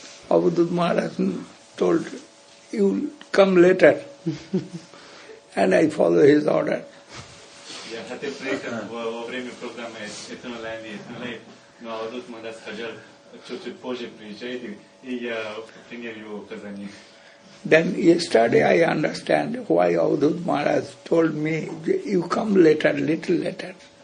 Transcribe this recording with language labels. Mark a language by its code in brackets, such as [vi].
[en] Avadhuta Maharaj told, you will come later. And I follow his order. Yeah, had a break [ru] во время программы Этноленд и Этнолейт, но Авадхута Махарадж сказал, чуть-чуть позже приезжайте, и я принял его указание. [en] Then yesterday I understand why Avadhuta Maharaj told me, you come later, little later.